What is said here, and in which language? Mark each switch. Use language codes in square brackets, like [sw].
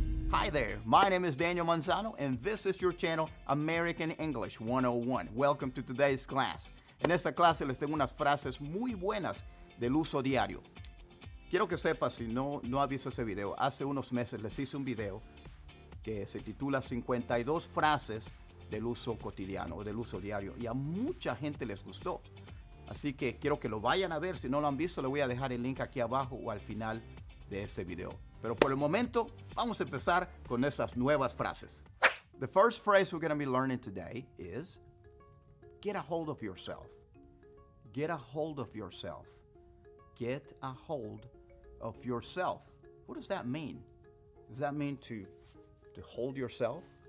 [en] Hi there, my name is Daniel Manzano, and this is your channel, American English 101. Welcome to today's class. [es] En esta clase les tengo unas frases muy buenas del uso diario. Quiero que sepas, si no has visto ese video, hace unos meses les hice un video que se titula 52 frases del uso cotidiano o del uso diario, y a mucha gente les gustó. Así que quiero que lo vayan a ver. Si no lo han visto, le voy a dejar el link aquí abajo o al final de este video. Pero por el momento, vamos a empezar con esas nuevas frases. [en] The first phrase we're going to be learning today is get a hold of yourself. Get a hold of yourself. Get a hold of yourself. What does that mean? Does that mean to hold yourself?